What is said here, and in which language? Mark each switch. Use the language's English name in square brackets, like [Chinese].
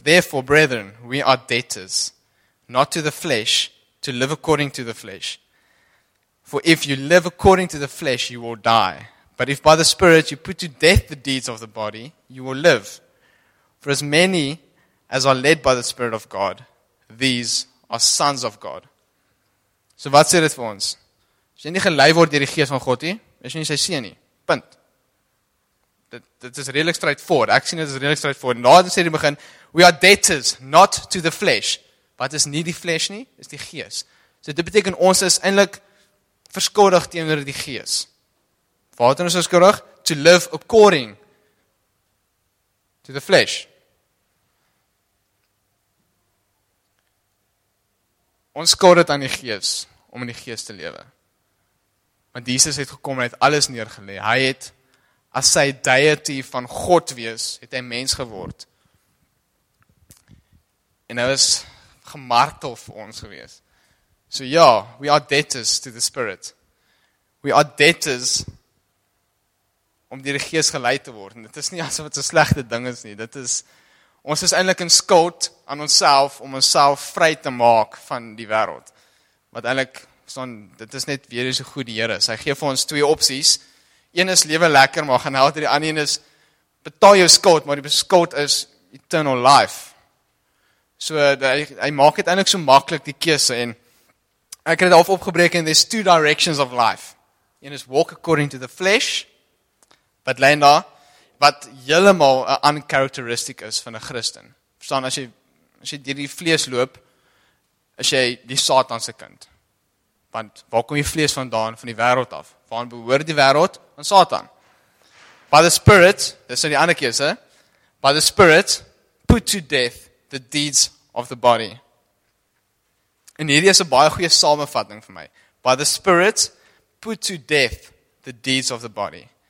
[English] Therefore, brethren, we are debtors, not to the flesh, to live according to the flesh. For if you live according to the flesh, you will die. But if by the Spirit you put to death the deeds of the body, you will live. For as many as are led by the Spirit of God, these are sons of God. [Afrikaans] So wat sê dit vir ons? As jy nie gelei word deur die Gees van God nie, is jy nie sy seun nie. Punt. Dit is redelik straightforward. Ek sien dit is redelik straightforward. Nou sê die begin, [English] we are debtors, not to the flesh. [Afrikaans] Wat is nie die flesh nie, is die Gees. So dit beteken ons is eintlik verskuldig teenoor die Gees. Waarteen is ons verskuldig? [English] To live according to the flesh. [Afrikaans] Ons skuld dit aan die Gees om in die Gees te lewe. Want Jesus het gekom en het alles neergelê. Hy het, as sy deity van God wees, het hy mens geword. En hy was gemartel vir ons gewees. So ja, [English] we are debtors to the Spirit. We are debtors [Afrikaans] om deur die Gees gelei te word. En dit is nie asof dit 'n slegte ding is nie. Dit is, ons is eintlik in skuld aan onsself om onsself vry te maak van die wêreld. Wat eintlik, son, dit is net weer so goed die Here. Hy gee vir ons 2 opsies. Een is lewe lekker, maar gaan help. Die ander een is betaal jou skuld, maar die skuld is eternal life. So hy maak dit eintlik so maklik die keuse en ek het dit half opgebreek in [English] these 2 directions of life. [Afrikaans] Een is [English] walk according to the flesh, [Afrikaans] but Lena, wat heeltemal 'n uncharacteristic is van 'n Christen. Verstaan, as jy deur die vlees loop, as jy die Satan se kind. Want waar kom die vlees vandaan? Van die wêreld af. Waar behoort die wêreld? Aan Satan. [English] By the Spirit, [Afrikaans] dis in die ander keuse, [English] by the Spirit put to death the deeds of the body. [Afrikaans] En hierdie is 'n baie goeie samenvatting vir my. [English] By the Spirit put to death the deeds of the body.